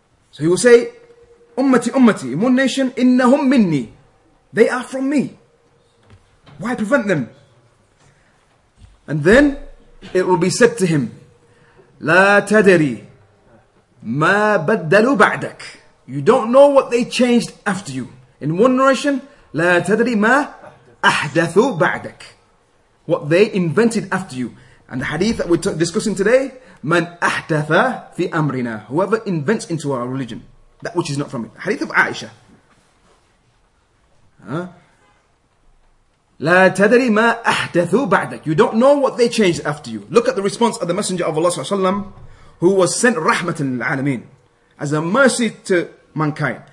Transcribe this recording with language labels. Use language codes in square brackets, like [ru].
[en] So he will say, Ummati, Ummati, in one nation, [ar] Innahum minni. [en] They are from me. Why prevent them? And then it will be said to him, [ar] لا تدري ما بدلوا بعدك. [en] You don't know what they changed after you. In one narration, [ar] لا تدري ما أحدثوا بعدك. [en] What they invented after you. And the hadith that we're discussing today, [ar] من أحدث في أمرنا. [en] Whoever invents into our religion that which is not from it. Hadith of Aisha. [ar] لا تدري ما أحدثوا بعدك. [en] You don't know what they changed after you. Look at the response of the Messenger of Allah Sallallahu Alaihi Wasallam, who was sent [ar] rahmatan lil alamin, [en] as a mercy to mankind.